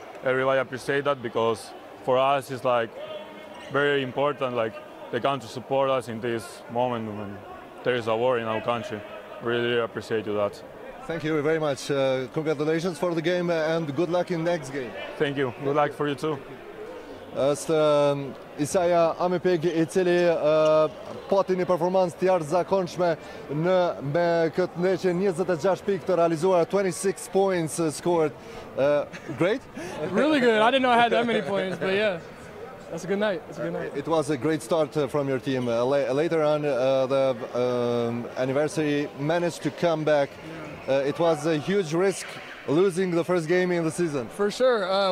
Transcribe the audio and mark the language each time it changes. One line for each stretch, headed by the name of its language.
English: Everybody appreciate that, because for us it's like very important, like the country support us in this moment when there is a war in our country. Really, really appreciate you that. Thank you very much. Congratulations for the game and good luck in next game. Thank you. Good luck for you too.
Albanian: Është Isaja Amipeg, I cili pati një performancë të jashtëzakonshme me këtë ndeshje, 26 pikë të realizuara,
English: 26 points scored. Great? Really good. I didn't know I had that many points, but yeah. That's a good night. That's a good night. It was a great start from your team. Later on, the anniversary managed to come back. It was a huge risk losing the first game in the season. For sure.